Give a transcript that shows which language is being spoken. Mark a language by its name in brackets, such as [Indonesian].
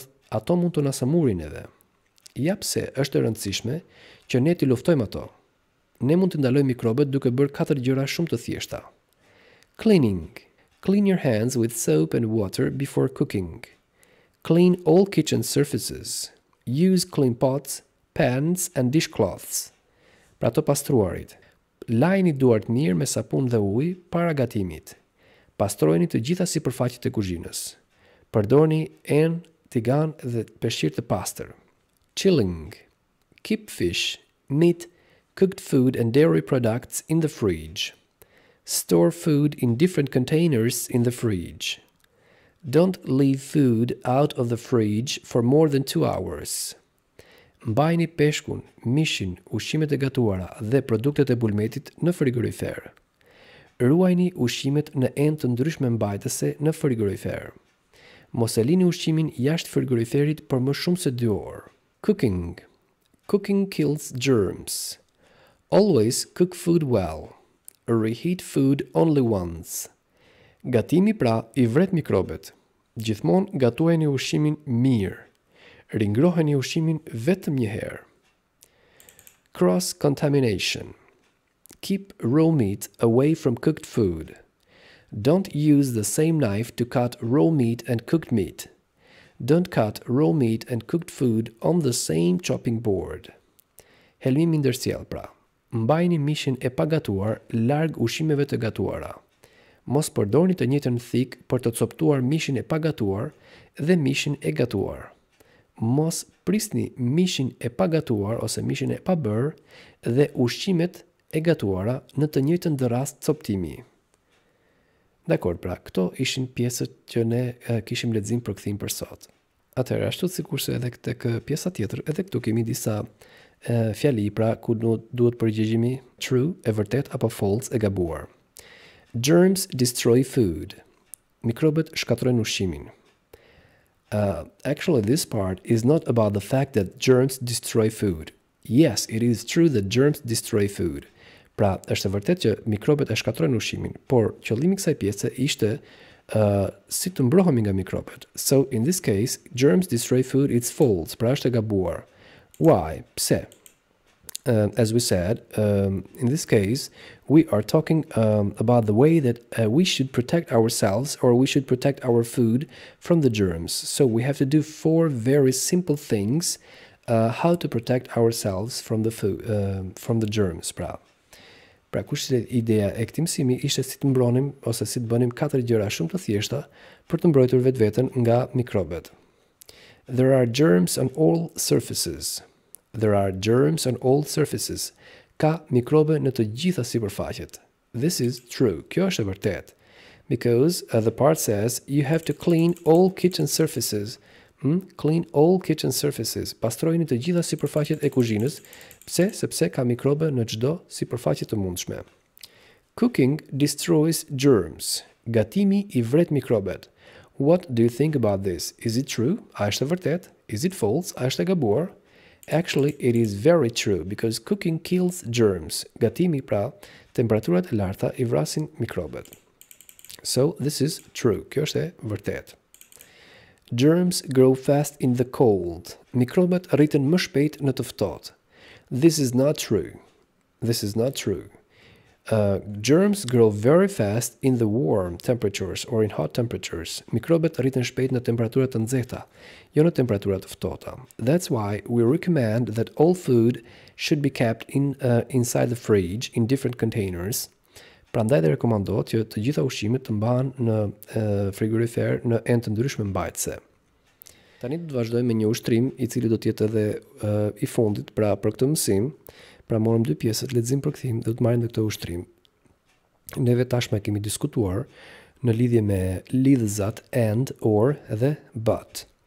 [Albanian] Ato mund të na samurin edhe. Ja pse është e rëndësishme që ne t'i luftojmë ato. Ne mund të ndalojmë mikrobet duke bërë katër gjëra shumë të thjeshta. [English] Cleaning. Clean your hands with soap and water before cooking. Clean all kitchen surfaces. Use clean pots, pans and dishcloths. [Albanian] Pra të pastruarit. Lajni duart mirë me sapun dhe uj para gatimit. Pastrojni të gjitha sipërfaqet e kuzhinës. Përdorni enë, tigan dhe peshqir të pastër. [English] Chilling. Keep fish, meat, cooked food and dairy products in the fridge. Store food in different containers in the fridge. Don't leave food out of the fridge for more than 2 hours. [Albanian] Mbajni peshkun, mishin, ushqimet e gatuara dhe produktet e bulmetit në frigorifer. Ruajni ushqimet në enë të ndryshme mbajtëse në frigorifer. Mos e lini ushqimin jashtë frigoriferit për më shumë se 2 orë. [English] Cooking. Cooking kills germs. Always cook food well. Reheat food only once. [Albanian] Gatimi pra i vret mikrobet. Gjithmonë gatuajni ushqimin mirë. Ringroheni ushqimin vetëm një herë. [English] Cross contamination. Keep raw meat away from cooked food. Don't use the same knife to cut raw meat and cooked meat. Don't cut raw meat and cooked food on the same chopping board. [Albanian] Helmimi ndërsjell pra. Mbajni mishin e pagatuar larg ushqimeve të gatuara. Mos përdorni të njëjtën thikë për të coptuar mishin e pagatuar dhe mishin e gatuar. Mos prisni mishin e pagatuar ose mishin e pabër dhe ushqimet e gatuara në të njëjtën dhëras coptimi. Dakor, pra, këto ishin pjesët që ne kishim leximin për kthim për sot. Atëherë, ashtu sikur se edhe tek pjesa tjetër, edhe këtu kemi disa fjali, pra, ku duhet përgjigjimi true, e vërtet, apo false, e gabuar. [English] Germs destroy food. [Albanian] Mikrobet shkatrojnë ushqimin. [English] Actually, this part is not about the fact that germs destroy food. Yes, it is true that germs destroy food. [Albanian] Pra, është e vërtet që mikrobet e shkatrojnë ushqimin, por qëllimi kësaj pjese ishte si të mbrohemi nga mikrobet. [English] So, in this case, germs destroy food, it's false, [Albanian] pra është e gabuar. [English] Why? [Albanian] Pse? [English] As we said, in this case, we are talking about the way that we should protect ourselves or we should protect our food from the germs. So we have to do four very simple things how to protect ourselves from the food, from the germs. [Albanian] Pra kushtet e ideja e këtij mësimi ishte si të mbronim ose si të bënim katër gjëra shumë të thjeshta për të mbrojtur vetveten nga mikrobet. [English] There are germs on all surfaces. There are germs on all surfaces. [Albanian] Ka mikrobe në të gjitha sipërfaqet. [English] This is true. [Albanian] Kjo është e vërtet. [English] Because the part says you have to clean all kitchen surfaces. Clean all kitchen surfaces. [Albanian] Pastrojini të gjitha sipërfaqet e kuzhinës. Pse? Sepse ka mikrobe në çdo sipërfaqe të mundshme. [English] Cooking destroys germs. [Albanian] Gatimi i vret mikrobet. [English] What do you think about this? Is it true? [Albanian] A është e vërtet? [English] Is it false? [Albanian] A është e gabuar? [English] Actually, it is very true, because cooking kills germs. [Albanian] Gatimi, pra, temperaturat e larta i vrasin mikrobet. [English] So, this is true. [Albanian] Kjo është e vërtet. [English] Germs grow fast in the cold. [Albanian] Mikrobat rriten më shpejt në të ftohtë. [English] This is not true. This is not true. Germs grow very fast in the warm temperatures or in hot temperatures. [Albanian] Mikrobat rriten shpejt në temperatura të nxehta, jo në temperatura të ftohta. [English] That's why we recommend that all food should be kept in inside the fridge in different containers. [Albanian] Prandaj dhe rekomandohet që të gjitha ushqimet të mbahen në frigorifer në enë të ndryshme mbajtëse. Tani do të vazhdojmë me një ushtrim I cili do të jetë edhe I fundit pra për këtë mësim. Pra morëm dy pjesët, lexim për kthim dhe do të marrim këtë ushtrim. Neve tashmë kemi diskutuar në lidhje me lidhzat and or dhe but.